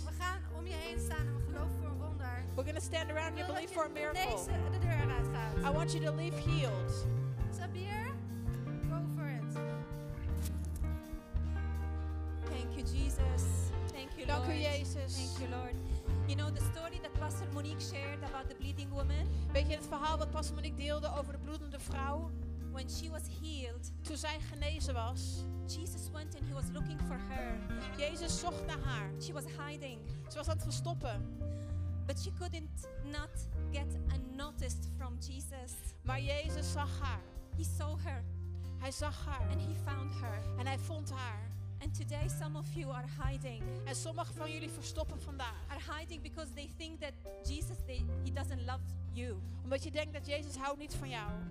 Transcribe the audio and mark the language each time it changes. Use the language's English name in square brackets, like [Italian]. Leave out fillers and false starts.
[Dutch] We gaan om je heen staan en we geloven voor een wonder. [English] We're going to stand around you believe for a miracle. [Dutch] Ik wil dat je genezen de deur eruit gaat. [English] I want you to leave healed. Dus Abir, go for it. Thank you Jesus. Thank you Lord. [Dutch] Dank u Jezus. [English] Thank you Lord. You know the story that Pastor Monique shared about the bleeding woman? [Dutch] Weet je het verhaal wat Pastor Monique deelde over de bloedende vrouw? [English] When she was healed, [Dutch] toen zij genezen was, [English] Jesus went and he was looking for her. [Dutch] Jezus zocht naar haar. [English] She was hiding. [Dutch] Ze was aan het verstoppen. [English] But she couldn't not get unnoticed from Jesus. [Dutch] Maar Jezus zag haar. [English] He saw her. [Dutch] Hij zag haar. [English] And he found her. [Dutch] En hij vond haar. [English] And today some of you are hiding. [Dutch] En sommige van jullie verstoppen vandaag. [English] Are hiding because they think that Jesus he doesn't love you. [Dutch] Omdat je denkt dat Jezus houdt niet van jou.